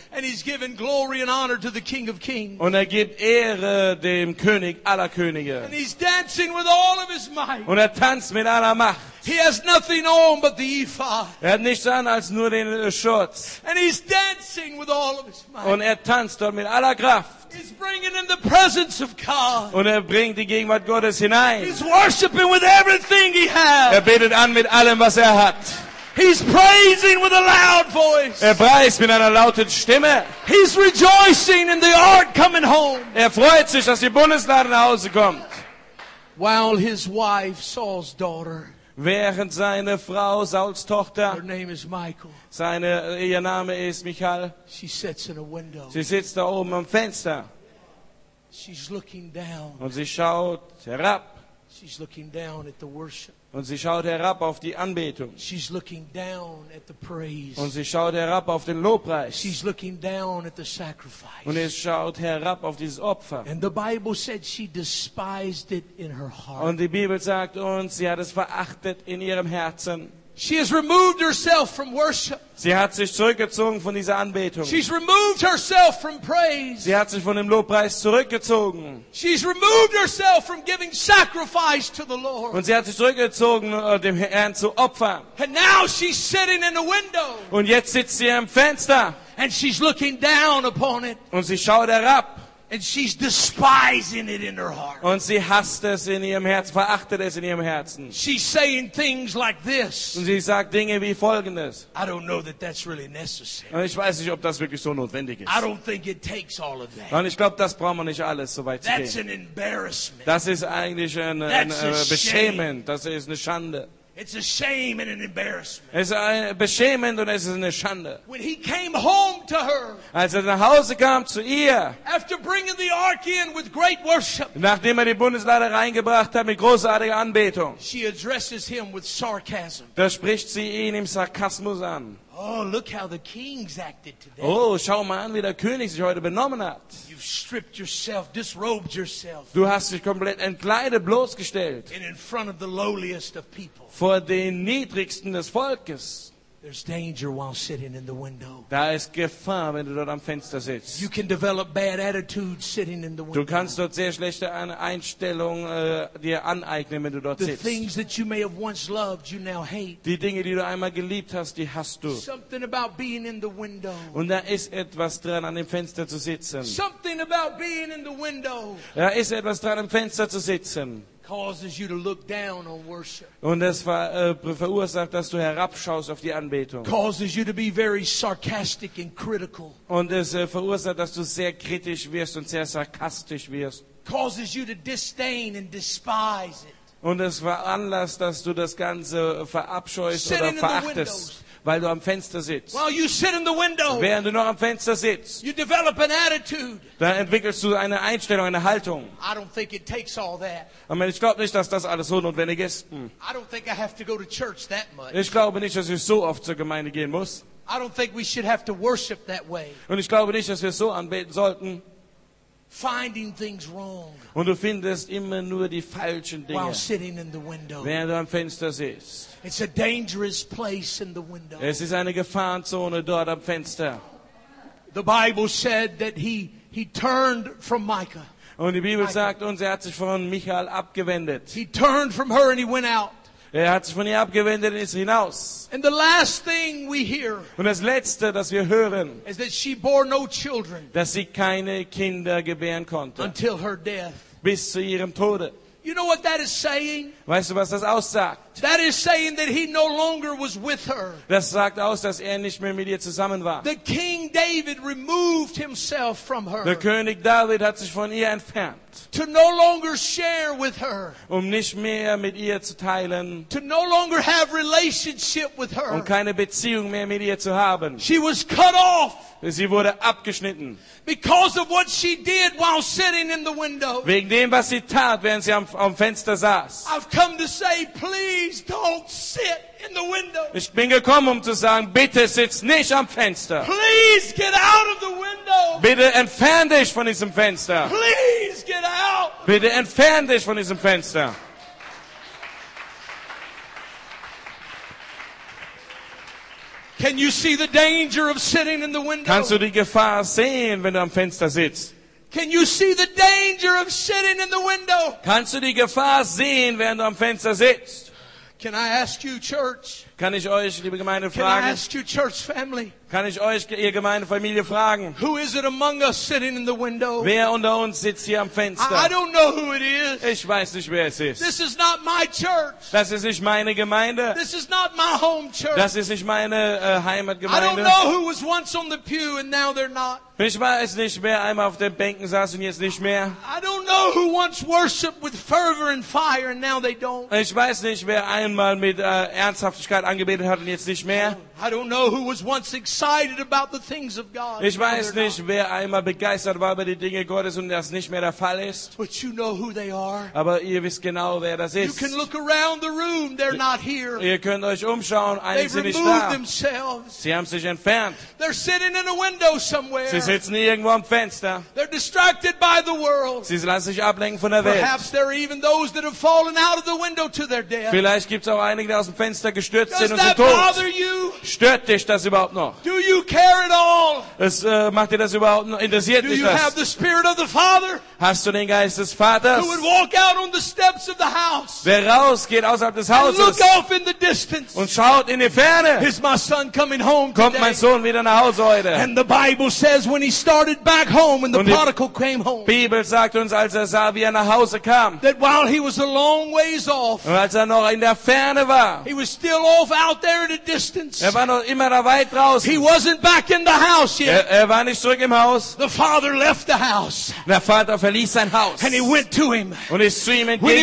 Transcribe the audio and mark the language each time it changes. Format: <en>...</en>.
<en>And he's given glory and honor to the King of Kings.</en> <de>Und er gibt Ehre dem König aller Könige.</de> <en>And he's dancing with all of his might.</en> <de>Und er tanzt mit aller Macht.</de> <en>He has nothing on but the ephod.</en> <de>Er hat nichts an als nur den Shorts.</de> <en>And he's dancing with all of his might.</en> <de>Und er tanzt dort mit aller Kraft.</de> <en>He's bringing in the presence of God.</en> <de>Und er bringt die Gegenwart Gottes hinein.</de> <en>He's worshiping with everything he has.</en> <de>Er betet an mit allem, was er hat.</de> <en>He's praising with a loud voice.</en> <de>Er preist mit einer lauten Stimme.</de> <en>He's rejoicing in the ark coming home.</en> <de>Er freut sich, dass die Bundeslade nach Hause kommt.</de> <en>While his wife, Saul's daughter,</en> <de>während seine Frau, Sauls Tochter,</de> <en>her name is Michael.</en> <de>Ihr Name ist Michal.</de> <en>She sits in a window.</en> <de>Sie sitzt da oben am Fenster.</de> <en>She's looking down.</en> <de>Und sie schaut herab.</de> <en>She's looking down at the worship.</en> <de>Und sie schaut herab auf die Anbetung.</de> <en>She's looking down at the praise.</en> <de>Und sie schaut herab auf den Lobpreis.</de> <en>She's looking down at the sacrifice.</en> <de>Und sie schaut herab auf dieses Opfer.</de> <en>And the Bible said she despised it in her heart.</en> <de>Und die Bibel sagt uns, sie hat es verachtet in ihrem Herzen.</de> <en>She has removed herself from worship.</en> <de>Sie hat sich zurückgezogen von dieser Anbetung.</de> <en>She's removed herself from praise.</en> <de>Sie hat sich von dem Lobpreis zurückgezogen.</de> <en>She's removed herself from giving sacrifice to the Lord.</en> <de>Und sie hat sich zurückgezogen, dem Herrn zu opfern.</de> <en>And now she's sitting in a window.</en> <de>Und jetzt sitzt sie am Fenster.</de> <en>And she's looking down upon it.</en> <de>Und sie schaut herab.</de> <en>And she's despising it in her heart.</en> <de>Und sie hasst es in ihrem Herzen, verachtet es in ihrem Herzen.</de> <en>She's saying things like this.</en> <de>Und sie sagt Dinge wie folgendes.</de> <en>I don't know that that's really necessary.</en> <de>Und ich weiß nicht, ob das wirklich so notwendig ist.</de> <en>I don't think it takes all of that.</en> <de>Und ich glaube, das brauchen wir nicht alles, so weit zu gehen.</de> <en>That's an embarrassment.</en> <de>Das ist eigentlich beschämend. Das ist eine Schande.</de> <en>It's a shame and an embarrassment.</en> <de>Es ist beschämend und es ist eine Schande.</de> <en>When he came home to her,</en> <de>als er nach Hause kam zu ihr,</de> <en>after bringing the ark in with great worship,</en> <de>nachdem er die Bundeslade reingebracht hat mit großartiger Anbetung,</de> <en>she addresses him with sarcasm.</en> <de>Da spricht sie ihn im Sarkasmus an.</de> <en>Oh, look how the kings acted today.</en> <de>Oh, schau mal an, wie der König sich heute benommen hat.</de> <en>You've stripped yourself, disrobed yourself.</en> <de>Du hast dich komplett entkleidet, bloßgestellt.</de> <en>And in front of the lowliest of people.</en> <de>Vor den niedrigsten des Volkes.</de> <en>There's danger while sitting in the window.</en> <de>Da ist Gefahr, wenn du dort am Fenster sitzt.</de> <en>You can develop bad attitudes sitting in the window.</en> <de>Du kannst dort sehr schlechte Einstellung dir aneignen, wenn du dort sitzt.</de> <en>The things that you may have once loved, you now hate.</en> <de>Die Dinge, die du einmal geliebt hast, die hast du.</de> <en>Something about being in the window.</en> <de>Und da ist etwas dran, an dem Fenster zu sitzen.</de> <en>Something about being in the window.</en> <de>Da ist etwas dran, am Fenster zu sitzen.</de> <en>Causes you to look down on worship.</en> <de>Und es verursacht, dass du herabschaust auf die Anbetung.</de> <en>Causes you to be very sarcastic and critical.</en> <de>Und es verursacht, dass du sehr kritisch wirst und sehr sarkastisch wirst.</de> <en>Causes you to disdain and despise it.</en> <de>Und es veranlasst, dass du das Ganze verabscheust oder verachtest. Weil du am Fenster sitzt.</de> <en>While you sit in the window,</en> <de>während du noch am Fenster sitzt,</de> <en>you develop an attitude.</en> <de>Da entwickelst du eine Einstellung, eine Haltung.</de> <en>I don't think it takes all that.</en> <de>Ich meine, ich glaube nicht, dass das alles so notwendig ist.</de> <en>I don't think I have to go to church that much.</en> <de>Ich glaube nicht, dass ich so oft zur Gemeinde gehen muss.</de> <en>I don't think we should have to worship that way.</en> <de>Und ich glaube nicht, dass wir so anbeten sollten.</de> <en>Finding things wrong.</en> <de>Und du findest immer nur die falschen Dinge.</de> <en>While sitting in the window.</en> <de>Während du am Fenster sitzt.</de> <en>It's a dangerous place in the window.</en> <de>Es ist eine Gefahrenzone dort am Fenster.</de> <en>The Bible said that he turned from Micah.</en> <de>Und die Bibel sagt uns, er hat sich von Michael abgewendet.</de> <en>He turned from her and he went out.</en> <de>Er hat sich von ihr abgewendet und ist hinaus.</de> <en>And the last thing we hear,</en> <de>und das Letzte, das wir hören,</de> <en>is that she bore no children,</en> <de>dass sie keine Kinder gebären konnte,</de> <en>until her death.</en> <de>Bis zu ihrem Tode.</de> <en>You know what that is saying?</en> <de>Weißt du, was das aussagt?</de> <en>That is saying that he no longer was with her.</en> <de>Das sagt aus, dass er nicht mehr mit ihr zusammen war.</de> <en>The King David removed himself from her.</en> <de>Der König David hat sich von ihr entfernt.</de> <en>To no longer share with her.</en> <de>Um nicht mehr mit ihr zu teilen.</de> <en>To no longer have relationship with her.</en> <de>Um keine Beziehung mehr mit ihr zu haben.</de> <en>She was cut off.</en> <de>Sie wurde abgeschnitten.</de> <en>Because of what she did while sitting in the window.</en> <de>Wegen dem, was sie tat, während sie am Fenster saß.</de> <en>I've come to say, please don't sit in the window.</en> <de>Ich bin gekommen, um zu sagen, bitte sitz nicht am Fenster.</de> <en>Please get out of the window.</en> <de>Bitte entfern dich von diesem Fenster.</de> <en>Please get out.</en> <de>Bitte entfern dich von diesem Fenster.</de> <en>Can you see the danger of sitting in the window?</en> <de>Kannst du die Gefahr sehen, wenn du am Fenster sitzt?</de> <en>Can you see the danger of sitting in the window?</en> <de>Kannst du die Gefahr sehen, wenn du am Fenster sitzt?</de> <en>Can I ask you, church?</en> <de>Kann ich euch, liebe Gemeinde, fragen?</de> <en>Can I ask you, church family?</en> <de>Kann ich euch, ihr Gemeindefamilie, fragen?</de> <en>Who is it among us sitting in the window?</en> <de>Wer unter uns sitzt hier am Fenster?</de> <en>I don't know who it is.</en> <de>Ich weiß nicht, wer es ist.</de> <en>This is not my church.</en> <de>Das ist nicht meine Gemeinde.</de> <en>This is not my home church.</en> <de>Das ist nicht meine Heimatgemeinde.</de> <en>I don't know who was once on the pew and now they're not.</en> <de>Ich weiß nicht, wer einmal auf den Bänken saß und jetzt nicht mehr.</de> <en>I don't know who once worshiped with fervor and fire and now they don't.</en> <de>Ich weiß nicht, wer einmal mit Ernsthaftigkeit angebetet hat und jetzt nicht mehr.</de> <en>I don't know who was once excited about the things of God.</en> <de>Ich weiß nicht, wer einmal begeistert war über die Dinge Gottes und das nicht mehr der Fall ist.</de> <en>But you know who they are.</en> <de>Aber ihr wisst genau, wer das ist.</de> <en>You can look around the room, they're not here.</en> <de>Ihr könnt euch umschauen, einige sind nicht da.</de> <en>They removed themselves.</en> <de>Sie haben sich entfernt.</de> <en>They're sitting in a window somewhere.</en> <de>Sie sitzen irgendwo am Fenster.</de> <en>They're distracted by the world.</en> <de>Sie lassen sich ablenken von der Welt.</de> <en>Perhaps there are even those that have fallen out of the window to their death.</en> <de>Vielleicht gibt's auch einige, die aus dem Fenster gestürzt sind und sind tot.</de> <en>Does that bother you?</en> <de>Stört dich das überhaupt noch?</de> <en>Do you care at all?</en> <de>Macht dir das überhaupt noch? Interessiert dich das?</de> <en>Do you have the Spirit of the Father?</en> <de>Hast du den Geist des Vaters?</de> <en>Who would walk out on the steps of the house?</en> <de>Wer rausgeht außerhalb des Hauses?</de> <en>And look off in the distance.</en> <de>Und schaut in die Ferne.</de> <en>Is my son coming home?</en> <de>Kommt mein Sohn wieder nach Hause heute?</de> <en>And the Bible says when he started back home and the prodigal came home.</en> <de>Bibel sagt uns, als sah, wie nach Hause kam.</de> <en>That while he was a long ways off.</en> <de>Und als noch in der Ferne war.</de> <en>He was still off out there at a distance.</en> <de>Er war noch immer da weit draußen.</de> <en>He wasn't back in the house yet.</en> <de>Er war nicht zurück im Haus.</de> <en>The father left the house.</en> <de>Der Vater verließ sein Haus.</de> <en>And he went to him.</en> <de>Und ist zu ihm entgegengekommen.</de>